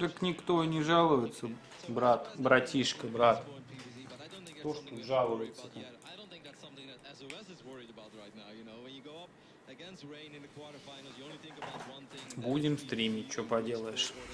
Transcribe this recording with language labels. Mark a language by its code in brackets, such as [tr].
[ru] Так никто не жалуется, брат, братишка, брат. Кто ж тут жалуется? [en] I don't think that's something that SOS is worried about right now, you know, when you go up against Rain in the quarterfinals, you only think about one thing. [ru] Будем стримить, что поделаешь.